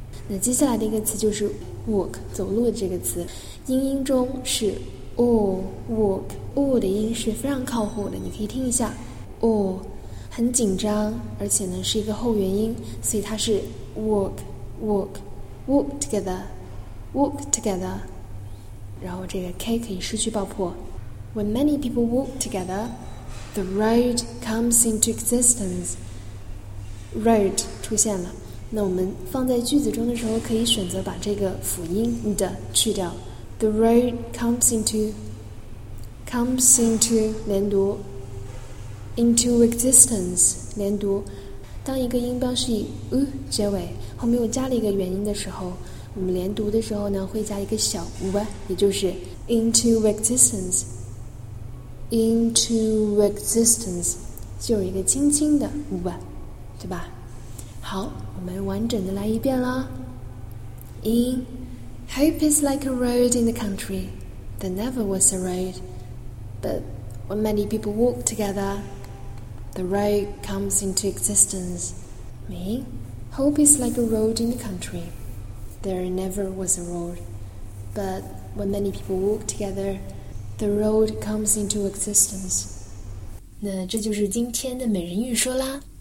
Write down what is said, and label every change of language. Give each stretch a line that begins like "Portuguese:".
Chinese: 那接下来的一个词就是 walk 走路的这个词，英音中是 walk o 的音是非常靠后的，你可以听一下 o 很紧张，而且呢是一个后元音，所以它是
English: walk together。
Chinese: 然后这个 K 可以失去爆破。
English: When many people walk together, the road comes into existence.
Chinese: Road 出现了。那我们放在句子中的时候，可以选择把这个辅音的去掉。
English: The road comes into 连读 into existence 连读。
Chinese: 当一个音标是以 u 结尾，后面又加了一个元音的时候。我们连读的时候呢，会加一个小 u， 也就是
English: into existence，
Chinese: 就有一个轻轻的 u， 对吧？好，我们完整的来一遍啦。
English: In hope is like a road in the country, there never was a road, but when many people walk together, the road comes into existence. Me, hope is like a road in the country. There never was a road, but when many people walk together, the road comes into existence.
Chinese: 那这就是今天的每日英语说啦。